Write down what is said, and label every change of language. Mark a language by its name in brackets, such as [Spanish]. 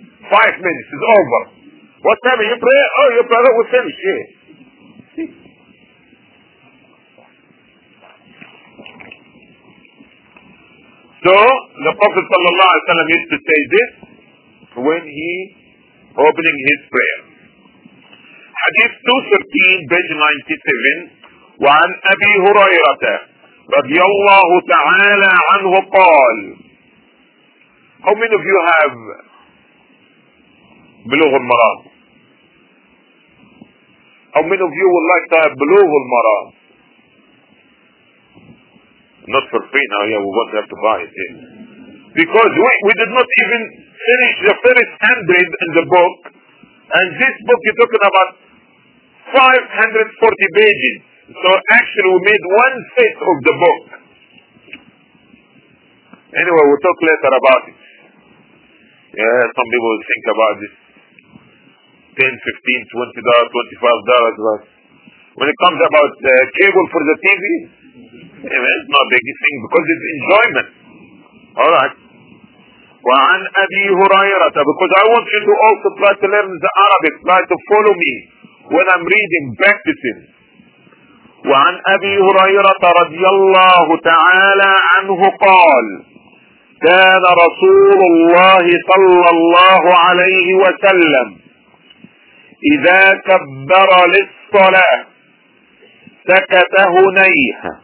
[English] 5 minutes, it's over. What time are you praying? Oh, your brother will finish. Yeah. So, the Prophet sallallahu alayhi wa sallam used to say this when he opening his prayer. Hadith 213, page 97. [Arabic] وعن أبي هريرة رضي الله تعالى عنه قال. [English] How many of you have بلوغ المرام? How many of you would like to have بلوغ المرام? Not for free now, yeah, we won't have to buy it. Yeah. Because we did not even finish the first 100 in the book. And this book you're talking about 540 pages. So actually we made one-fifth of the book. Anyway, we'll talk later about it. Yeah, some people think about this. $10, $15, $20, $25. When it comes about cable for the TV, it's not a big thing because it's enjoyment. All right. [Arabic] وعن أبي هريرة, [English] because I want you to also try to learn the Arabic, try to follow me when I'm reading, practicing. [Arabic] وعن أبي هريرة رضي الله تعالى عنه قال كان رسول الله صلى الله عليه وسلم إذا كبر للصلاة سكت هنيه